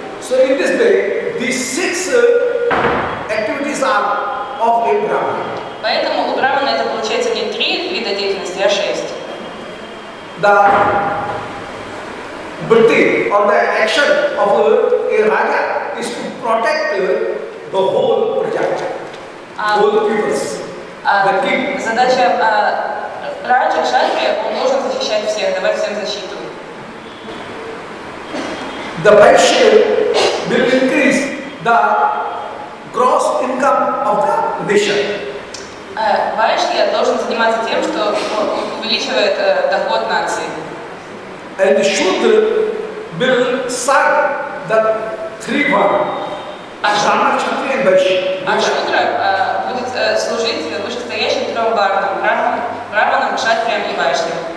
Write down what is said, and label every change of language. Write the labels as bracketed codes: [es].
[en] So in this way, these six activities are of a Brahman. [ru] Поэтому у Брахмана это получается не три вида деятельности, а шесть. [en] The bhakti or the action of a raja is to protect the whole prajaja, whole peoples. [ru] Задача раджа, кшатрия, он должен защищать всех, давать всем защиту. [en] The vaishya will increase the gross income of the nation. [ru] Vaishya должен заниматься тем, что увеличивает доход нации. [en] And shudra will serve the three one. Brahma, kshatriya and vaishya. [ru] А шудра будет служить вышестоящим трем варнам, Брахманам, Кшатриям и Вайшнам.